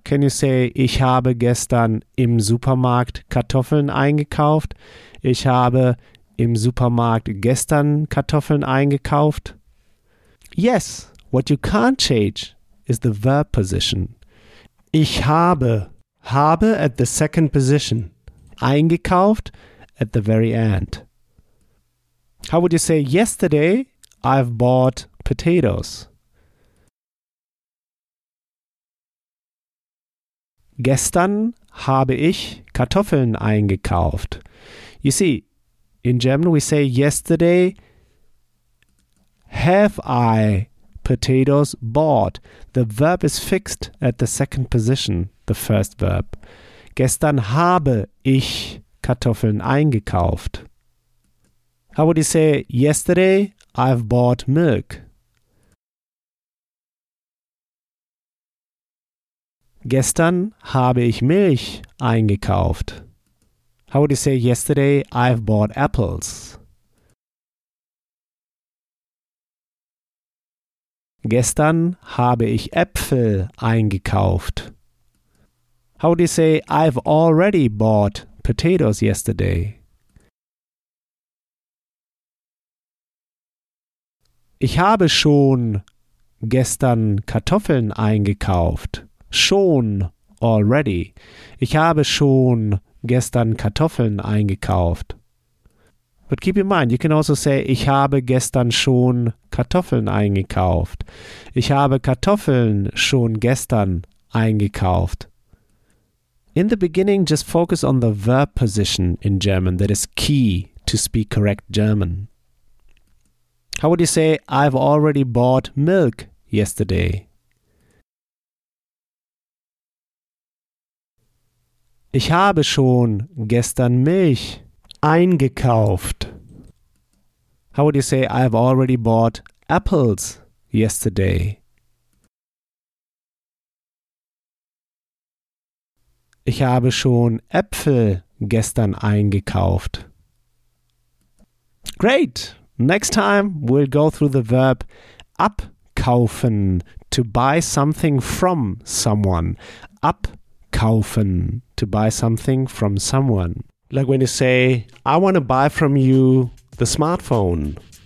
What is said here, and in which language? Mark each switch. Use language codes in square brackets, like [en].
[en] Can you say, [de] ich habe gestern im Supermarkt Kartoffeln eingekauft? Ich habe im Supermarkt gestern Kartoffeln eingekauft? [en] Yes, what you can't change is the verb position. [de] Ich habe, habe [en] at the second position, eingekauft at the very end. How would you say, yesterday I've bought potatoes? [de] Gestern habe ich Kartoffeln eingekauft. [en] You see, in German we say, yesterday have I potatoes bought. The verb is fixed at the second position, the first verb. [de] Gestern habe ich Kartoffeln eingekauft. [en] How would you say, yesterday I've bought milk? [de] Gestern habe ich Milch eingekauft. [en] How would you say, yesterday I've bought apples? [de] Gestern habe ich Äpfel eingekauft. [en] How would you say, I've already bought potatoes yesterday? [de] Ich habe schon gestern Kartoffeln eingekauft. Schon, already. Ich habe schon gestern Kartoffeln eingekauft. [en] But keep in mind, you can also say, [de] ich habe gestern schon Kartoffeln eingekauft. Ich habe Kartoffeln schon gestern eingekauft. [en] In the beginning, just focus on the verb position in German that is key to speak correct German. How would you say, I've already bought milk yesterday? [de] Ich habe schon gestern Milch eingekauft. [en] How would you say, I've already bought apples yesterday? [de] Ich habe schon Äpfel gestern eingekauft. [en] Great! Next time, we'll go through the verb abkaufen, to buy something from someone. Abkaufen, to buy something from someone. Like when you say, I want to buy from you the smartphone.